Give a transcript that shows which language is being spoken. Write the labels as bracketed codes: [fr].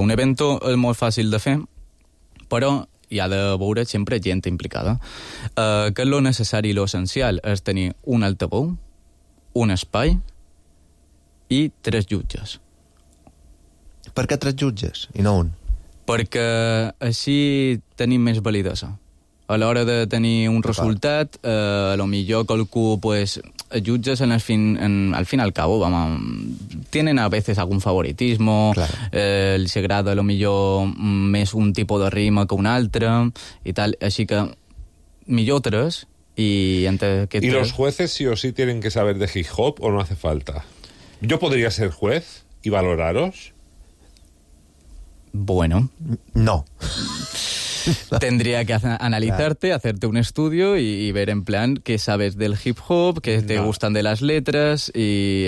[ca] Un evento és molt fàcil de fer, però hi ha de veure sempre gent implicada. Que lo necessari i lo essencial és tenir un altaveu, un espai i tres jutges. Per què tres jutges i no un? Perquè així tenim més validesa. A l'hora de tenir un resultat, a lo millor qualcú, pues, jutges [es] al fin al cabo, vamos, tienen a veces algún favoritismo, claro. [ca] Si agrada a lo millor més un tipus de rima que un altre, i tal, així que millor tres, [es] Y entre que ¿y los jueces sí o sí tienen que saber de hip hop o no hace falta? ¿Yo podría ser juez y valoraros? Bueno. No. Tendría que analizarte, claro, hacerte un estudio y ver en plan qué sabes del hip hop, qué te gustan de las letras y